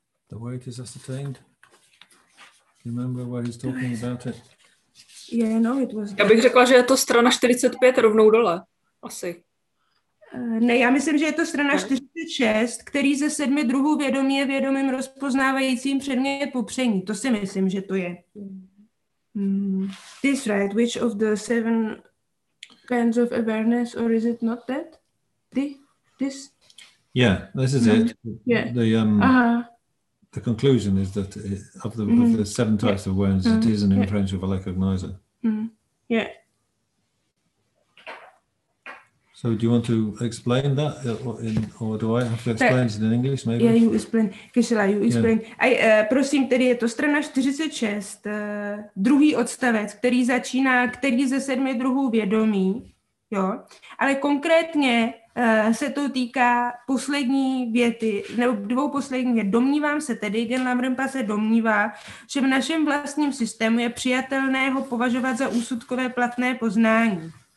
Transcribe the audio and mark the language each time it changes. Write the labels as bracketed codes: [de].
[en] The way it is ascertained. Remember what he's talking about it. Yeah, no, it was. [cs] Já bych řekla, že je to strana 45 rovnou dole, asi. Ne, já myslím, že je to strana 46, který ze sedmi druhů vědomí je vědomým rozpoznávajícím předmět popření. To si myslím, že to je. [en] This right, which of the seven kinds of awareness, or is it not that? This? Yeah, this is it. Yeah. The conclusion is that of the seven types of awareness, it is an inferential valid cognizer. Yeah. So do you want to explain that, or do I have to explain it in English, maybe? Yeah, you explain. Geshe-la, you explain. Yeah. [cs] Prosím, tedy je to strana 46, druhý odstavec, který začíná, který ze sedmi druhů vědomí, jo, ale konkrétně se to týká poslední věty, nebo dvou poslední. Domnívám se tedy, Genlam Rinpa se domnívá, že v našem vlastním systému je přijatelné ho považovat za úsudkové platné poznání.